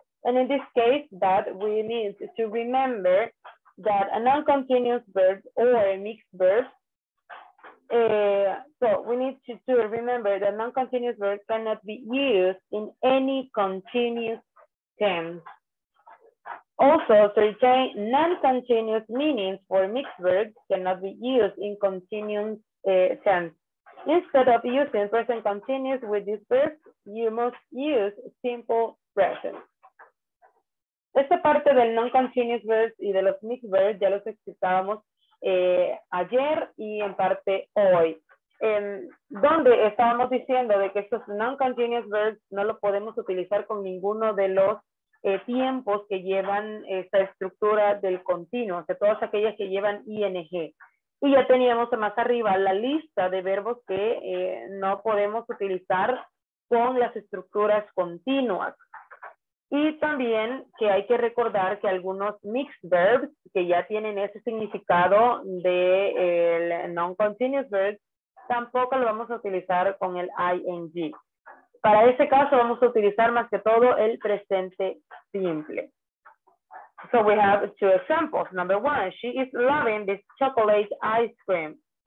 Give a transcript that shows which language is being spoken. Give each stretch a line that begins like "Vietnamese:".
English: And in this case, that we need to remember that a non-continuous verb or a mixed verb, so we need to remember that non-continuous verb cannot be used in any continuous tense. Also, certain non-continuous meanings for mixed verbs cannot be used in continuous tense. Instead of using present continuous with this verb, you must use simple present.
Spanish: Esta parte del non-continuous verbs y de los mixed verbs ya los explicábamos ayer y en parte hoy. Donde estábamos diciendo de que estos non-continuous verbs no lo podemos utilizar con ninguno de los tiempos que llevan esta estructura del continuo, o sea, todas aquellas que llevan ing. Y ya teníamos más arriba la lista de verbos que no podemos utilizar con las estructuras continuas. Y también que hay que recordar que algunos mixed verbs que ya tienen ese significado del non-continuous verb, tampoco lo vamos a utilizar con el ing. Para ese caso vamos a utilizar más que todo el presente simple.
English: So we have two examples. Number one, she is loving this chocolate ice cream.